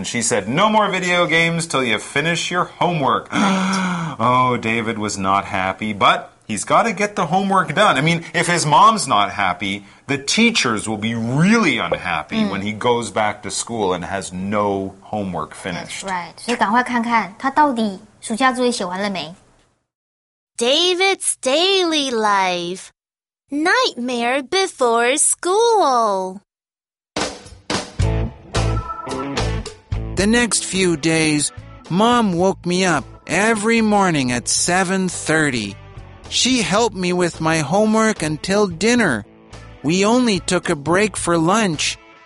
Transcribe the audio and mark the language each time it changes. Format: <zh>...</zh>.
<en>And she said, no more video games till you finish your homework. Oh, David was not happy, but... He's got to get the homework done. I mean, if his mom's not happy, the teachers will be really unhappy when he goes back to school and has no homework finished. That's right.</en> <zh>所以赶快看看他到底暑假作业写完了没。</zh> <en>David's daily life. Nightmare before school. The next few days, Mom woke me up every morning at 7:30. She helped me with my homework until dinner. We only took a break for lunch.</en>